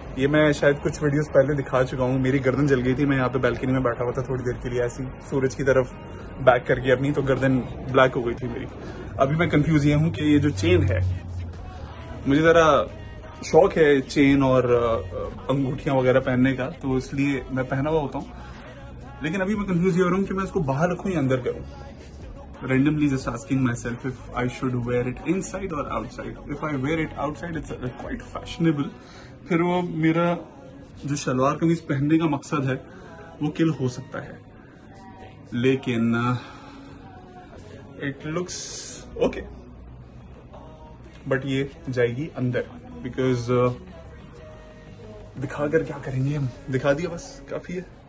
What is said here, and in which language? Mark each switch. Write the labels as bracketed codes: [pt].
[hi] ये मैं शायद कुछ वीडियोस पहले दिखा चुका हूँ, मेरी गर्दन जल गई थी, मैं यहाँ पे बालकनी में बैठा हुआ था थोड़ी देर के लिए, ऐसी सूरज की तरफ बैक करके अपनी, तो गर्दन ब्लैक हो गई थी मेरी। अभी मैं कंफ्यूज ये हूँ कि ये जो चेन है, मुझे जरा शौक है चेन और अंगूठियां वगैरह पहनने का, तो इसलिए मैं पहना हुआ होता हूँ, लेकिन अभी मैं कंफ्यूज ये हो रहा हूँ कि मैं इसको बाहर रखूँ या अंदर करूँ। [en] Randomly just asking myself if I should wear it inside or outside. If I wear it outside, it's quite fashionable. [hi] फिर वो मेरा जो शलवार कमीज पहनने का मकसद है वो किल हो सकता है, लेकिन [en] it looks okay. [hi] But ये जाएगी अंदर, because दिखाकर क्या करेंगे हम, दिखा दिया बस काफी है।